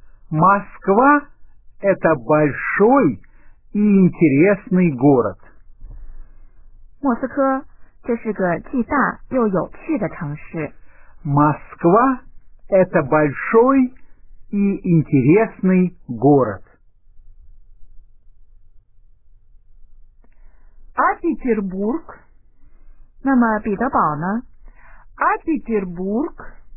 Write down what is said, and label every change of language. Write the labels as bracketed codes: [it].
[ru] Москва – это большой и интересный город. [zh] 莫斯科这是个既大又有趣的城市. [ru] Москва – это большой и интересный город. А Петербург? [zh] 那么彼得堡呢? [ru] А Петербург?